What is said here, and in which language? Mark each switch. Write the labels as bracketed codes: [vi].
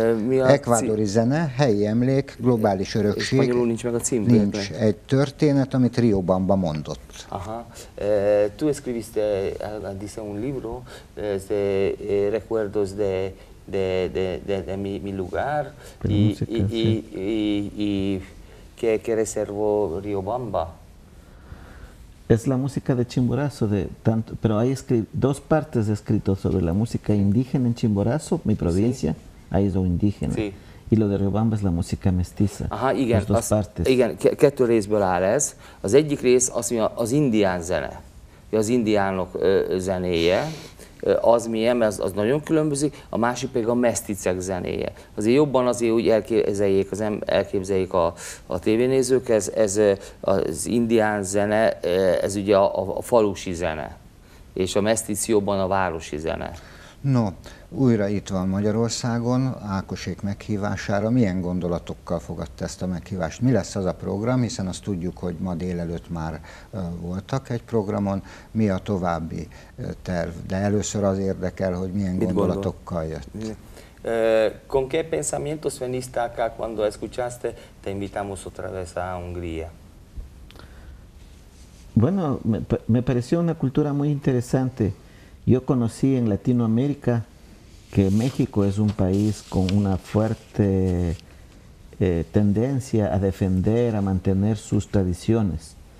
[hu] Ekvádori zene, helyi emlék, globális örökség. Spanyolul nincs meg a cím. Nincs. Egy történet, amit Rio Bamba mondott. Aha. [es] Tú escribiste, dice un libro, recuerdos de mi lugar, y que reservó Rio Bamba. Es la música de Chimborazo, pero hay dos partes escritas sobre la música indígena en Chimborazo, mi provincia, sí. Ahí es lo indígena. Sí. Y lo de Riobamba es la música mestiza. [hu] Ajá, igen, [es] las dos partes. [hu] Igen, kettő részből áll ez. Az egyik rész az, mi az indián zene, az indiánok zenéje. Az milyen, mert az nagyon különbözik, a másik pedig a meszticek zenéje. Azért jobban azért úgy elképzeljék a tévénézők, ez az indián zene, ez ugye a falusi zene, és a mesztic jobban a városi zene. No, újra itt van Magyarországon, Ákosék meghívására. Milyen gondolatokkal fogadta ezt a meghívást? Mi lesz az a program, hiszen azt tudjuk, hogy ma délelőtt már voltak egy programon. Mi a további terv? De először az érdekel, hogy milyen gondolatokkal jött. [es] Con qué pensamientos veniste acá cuando escuchaste te invitamos otra vez a Hungría? Bueno, me pareció una cultura muy interesante. Yo conocí en Latinoamérica que México es un país con una fuerte tendencia a defender, a mantener sus tradiciones.